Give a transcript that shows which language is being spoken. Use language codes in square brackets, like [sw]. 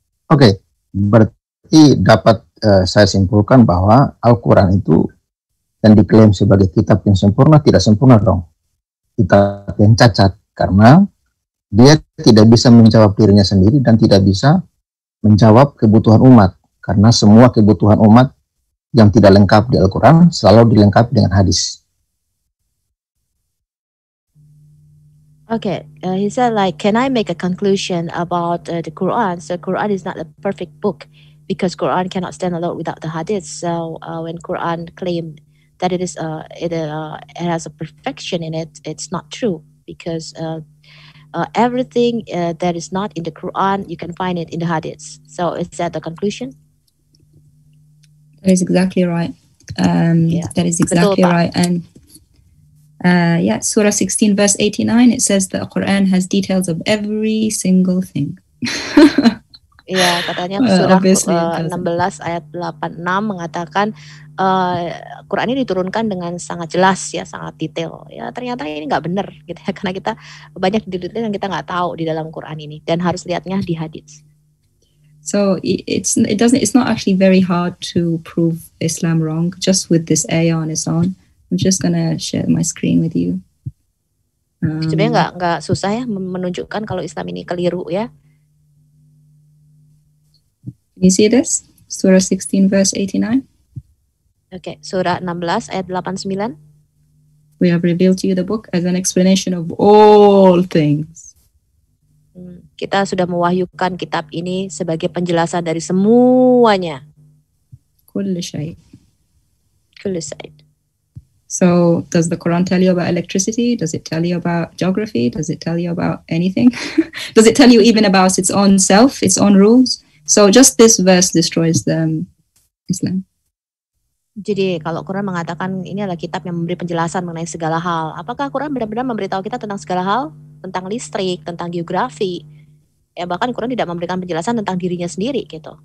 [id] Oke, berarti dapat saya simpulkan bahwa Al-Quran itu yang diklaim sebagai kitab yang sempurna, tidak sempurna dong. Kitab yang cacat, karena dia tidak bisa menjawab dirinya sendiri dan tidak bisa menjawab kebutuhan umat, karena semua kebutuhan umat yang tidak lengkap di Al-Quran selalu dilengkapi dengan hadis. [en] Okay, he said like, can I make a conclusion about the Quran? So Quran is not a perfect book because Quran cannot stand alone without the hadith. So when Quran claimed that it is it has a perfection in it, it's not true because everything that is not in the Quran, you can find it in the hadith. So is that the conclusion? That is exactly right. That is exactly right. And Surah 16, verse 89, it says the Quran has details of every single thing. [id] Yeah, katanya Surah 16 ayat 86 mengatakan Quran ini diturunkan dengan sangat jelas ya, sangat detail. Ya ternyata ini nggak benar, gitu ya, karena kita banyak detail yang kita nggak tahu di dalam Quran ini dan harus lihatnya di hadis. [en] So it's not actually very hard to prove Islam wrong just with this ayah on its own. I'm just gonna share my screen with you. [id] Sebenarnya nggak susah ya menunjukkan kalau Islam ini keliru ya. [en] Can you see this? Surah 16 verse 89. [id] Okay, Surah 16 ayat 89. [en] We have revealed to you the book as an explanation of all things. [id] Kita sudah mewahyukan kitab ini sebagai penjelasan dari semuanya. [ar] Kullu syai. [en] So, does the Quran tell you about electricity? Does it tell you about geography? Does it tell you about anything? Does it tell you even about its own self, its own rules? So, just this verse destroys the Islam. [id] Jadi kalau Quran mengatakan ini adalah kitab yang memberi penjelasan mengenai segala hal, apakah Quran benar-benar memberitahu kita tentang segala hal? Tentang listrik, tentang geografi, ya bahkan Quran tidak memberikan penjelasan tentang dirinya sendiri gitu.